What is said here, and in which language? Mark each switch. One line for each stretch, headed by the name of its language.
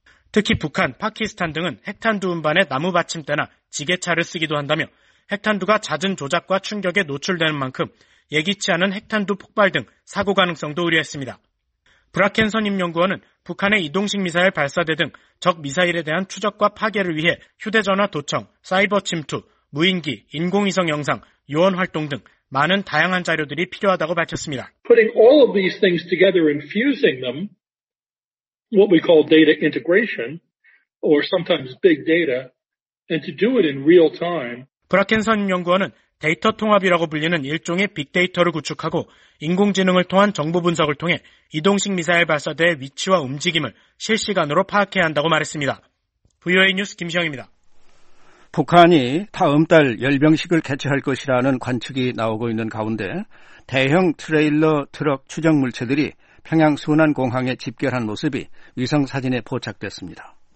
Korean: 특히 북한, 파키스탄 등은 핵탄두 운반에 나무 받침대나 지게차를 쓰기도 한다며 핵탄두가 잦은 조작과 충격에 노출되는 만큼 예기치 않은 핵탄두 폭발 등 사고 가능성도 우려했습니다. 브라켄 선임연구원은 북한의 이동식 미사일 발사대 등 적 미사일에 대한 추적과 파괴를 위해 휴대전화 도청, 사이버 침투, 무인기, 인공위성 영상, 요원 활동 등 많은 다양한 자료들이 필요하다고 밝혔습니다.
English: Putting all of these things together and fusing them, what we call data integration, or sometimes big data, and to do it in real time.
Korean: 브라켄 선임연구원은 데이터 통합이라고 불리는 일종의 빅데이터를 구축하고 인공지능을 통한 정보 분석을 통해 이동식 미사일 발사대의 위치와 움직임을 실시간으로 파악해야 한다고 말했습니다. VOA 뉴스 김시영입니다. 북한이 다음 달 열병식을 개최할 것이라는 관측이 나오고 있는 가운데 대형 트레일러 트럭 추적 물체들이 평양 순안공항에 집결한 모습이 위성사진에 포착됐습니다.